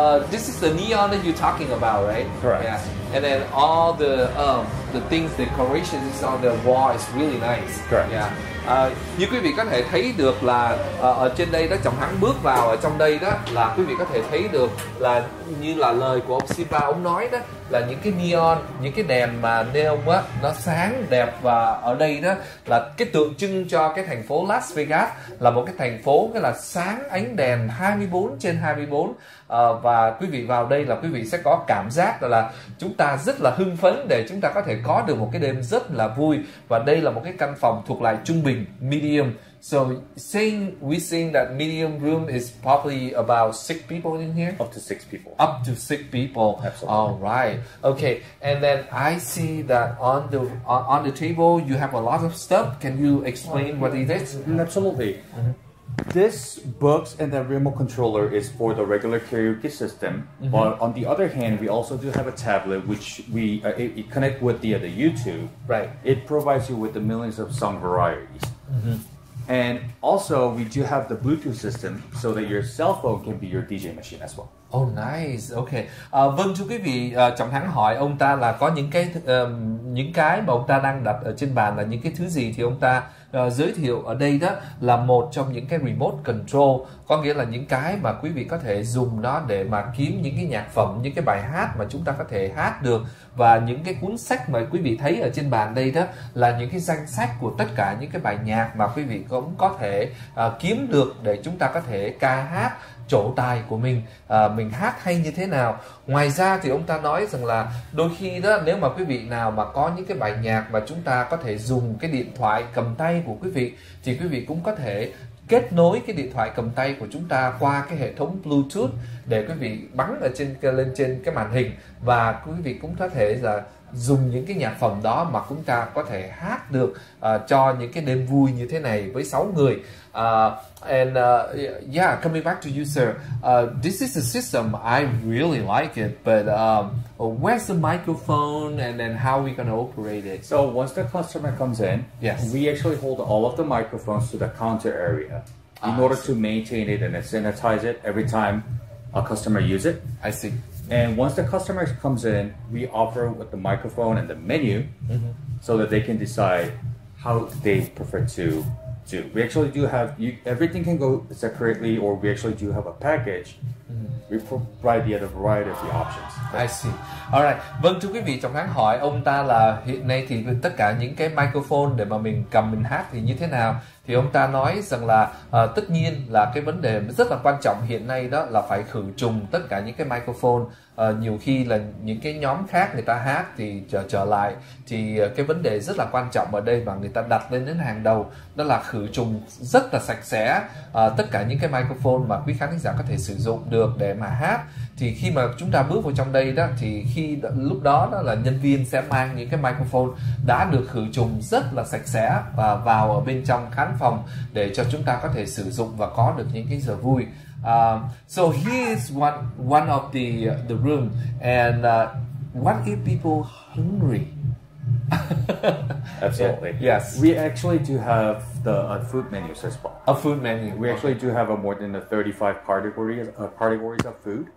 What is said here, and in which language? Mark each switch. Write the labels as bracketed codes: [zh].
[en] This is the neon that you're talking about, right? Correct. Yeah. And then all the things, the decoration is on the wall is really nice. Correct. Yeah. [vi] Như quý vị có thể thấy được là ở trên đây đó, Trọng Thắng bước vào ở trong đây đó, là quý vị có thể thấy được là như là lời của ông Simba ông nói đó, là những cái neon, những cái đèn mà neon á, nó sáng đẹp. Và ở đây đó là cái tượng trưng cho cái thành phố Las Vegas, là một cái thành phố nghĩa là sáng ánh đèn 24/24. Và quý vị vào đây là quý vị sẽ có cảm giác là chúng ta rất là hưng phấn để chúng ta có thể có được một cái đêm rất là vui. Và đây là một cái căn phòng thuộc lại trung bình, medium. [en] So we're saying that medium room is probably about 6 people in here? Up to 6 people. Absolutely. All right. Okay. And then I see that on the table you have a lot of stuff. Can you explain what it is? Absolutely. This books and the remote controller is for the regular karaoke system. Mm-hmm. But on the other hand, we also do have a tablet which we it connect with the other YouTube. Right. It provides you with the millions of song varieties. Mm-hmm. And also, we do have the Bluetooth system so that your cell phone can be your DJ machine as well. Oh, nice. Okay. [vi] Vâng, thưa quý vị, Trọng Thắng hỏi ông ta là có những cái mà ông ta đang đặt ở trên bàn là những cái thứ gì, thì ông ta giới thiệu ở đây đó là một trong những cái remote control, có nghĩa là những cái mà quý vị có thể dùng nó để mà kiếm những cái nhạc phẩm, những cái bài hát mà chúng ta có thể hát được. Và những cái cuốn sách mà quý vị thấy ở trên bàn đây đó là những cái danh sách của tất cả những cái bài nhạc mà quý vị cũng có thể kiếm được để chúng ta có thể ca hát chỗ tài của mình hát hay như thế nào. Ngoài ra thì ông ta nói rằng là đôi khi đó, nếu mà quý vị nào mà có những cái bài nhạc mà chúng ta có thể dùng cái điện thoại cầm tay của quý vị, thì quý vị cũng có thể kết nối cái điện thoại cầm tay của chúng ta qua cái hệ thống Bluetooth để quý vị bắn ở lên trên cái màn hình, và quý vị cũng có thể là dùng những cái nhạc phẩm đó mà chúng ta có thể hát được cho những cái đêm vui như thế này với 6 người. [en] And coming back to you, sir, this is a system, I really like it, but where's the microphone and then how are we going to operate it? So once the customer comes in, yes, we actually hold all of the microphones to the counter area in order to maintain it and sanitize it every time a customer uses it. I see. And once the customer comes in, we offer with the microphone and the menu, mm-hmm. so that they can decide how they prefer to do. We actually do have, everything can go separately, or we actually do have a package. Mm-hmm. We provide the other variety of the options. I see. All right. [vi] Vâng, thưa quý vị, Trọng Thắng hỏi ông ta là hiện nay thì tất cả những cái microphone để mà mình cầm mình hát thì như thế nào? thì ông ta nói rằng là tất nhiên là cái vấn đề rất là quan trọng hiện nay đó là phải khử trùng tất cả những cái microphone. Nhiều khi là những cái nhóm khác người ta hát thì trở lại thì cái vấn đề rất là quan trọng ở đây mà người ta đặt lên đến hàng đầu đó là khử trùng rất là sạch sẽ tất cả những cái microphone mà quý khán giả có thể sử dụng được để mà hát. Thì khi mà chúng ta bước vào trong đây đó thì khi lúc đó đó là nhân viên sẽ mang những cái microphone đã được khử trùng rất là sạch sẽ và vào ở bên trong khán phòng để cho chúng ta có thể sử dụng và có được những cái giờ vui. [en] So here's one of the room, and what if people hungry? Absolutely. Yes. We actually do have a food menu, says Paul. A food menu. We actually do have more than 35 categories of food.